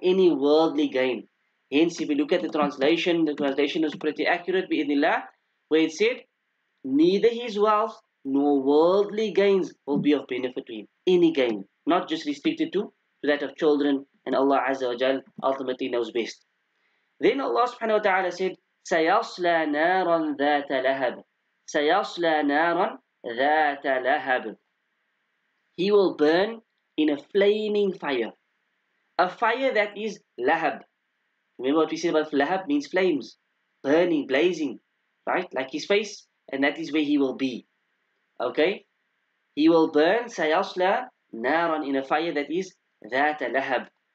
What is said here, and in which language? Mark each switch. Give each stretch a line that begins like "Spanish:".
English: Any worldly gain. Hence, if we look at the translation is pretty accurate, bi'idhnillah, where it said, neither his wealth nor worldly gains will be of benefit to him. Any gain. Not just restricted to that of children, and Allah Azza wa Jal ultimately knows best. Then Allah subhanahu wa ta'ala said,
Arabic: سَيَصْلَى نَارًا ذَاتَ لَهَبٍ سَيَصْلَى نَارًا ذَاتَ لَهَبٍ.
English: He will burn in a flaming fire. A fire that is lahab. Remember what we said about lahab means flames. Burning, blazing. Right? Like his face. And that is where he will be. Okay? He will burn,
Arabic: سَيَصْلَى نَارًا,
English: in a fire that is
Arabic: ذَاتَ لَهَبٍ.